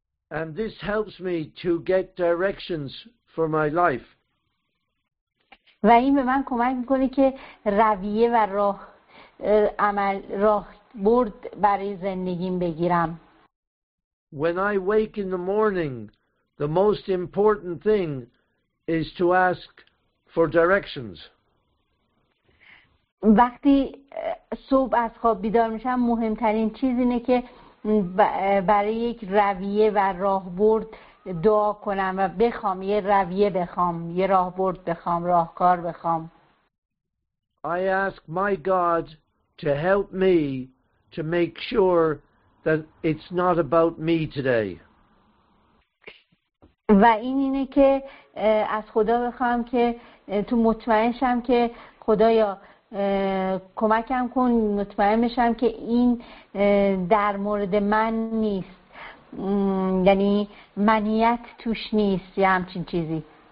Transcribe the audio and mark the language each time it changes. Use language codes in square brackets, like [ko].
[en] And this helps me to get directions for my life. [fa] و این به من کمک میکنه که رویه و راه عمل راه برد برای زندگیم بگیرم. [en] When I wake in the morning, the most important thing is to ask for directions. [fa] وقتی صبح از خواب بیدار میشم، مهمترین چیز اینه که برای یک رویه و راهبرد دعا کنم و بخوام یه رویه، بخوام یه راهبرد، بخوام راهکار، بخوام. [en] I ask my God to help me to make sure that it's not about me today. [fa] و این اینه که از خدا بخوام که تو مطمئن شم که خدایا کمکم کن، مطمئن بشم که این در مورد من نیست، یعنی منیت توش نیست یا همچین چیزی.